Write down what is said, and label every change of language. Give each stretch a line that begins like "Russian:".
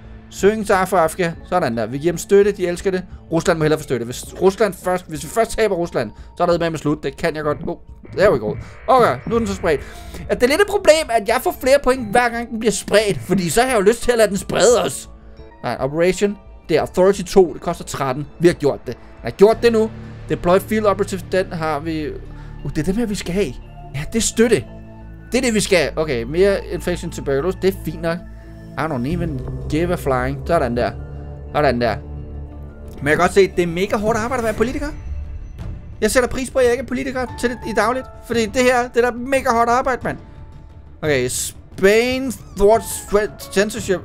Danish: Søgning til Afrika. Sådan der. Vi giver dem støtte. De elsker det. Rusland må hellere få støtte. Hvis vi først taber Rusland, så er der med slut. Det kan jeg godt. Det er jo ikke råd. Okay, nu er den så spredt. Ja, det er lidt et problem, at jeg får flere point, hver gang den bliver spredt. Fordi så har jeg jo lyst til at lade den sprede os. Nej, operation. Det er authority 2. Det koster 13. Vi har gjort det. Jeg har gjort det nu.
English: Deploy field operative.
Danish: Den har vi. Det er dem her, vi skal have. Ja, det er støtte. Det er det, vi skal. Okay, mere infection tuberculosis. Det er fint nok.
English: I don't even give a flying.
Danish: Sådan der. Sådan der. Men jeg kan godt se, at det er mega hårdt arbejde at være politiker. Jeg sætter pris på, at jeg ikke er politiker til det i dagligt. Fordi det her, det er da mega hårdt arbejde, mand.
English: Okay, Spain thwarts censorship.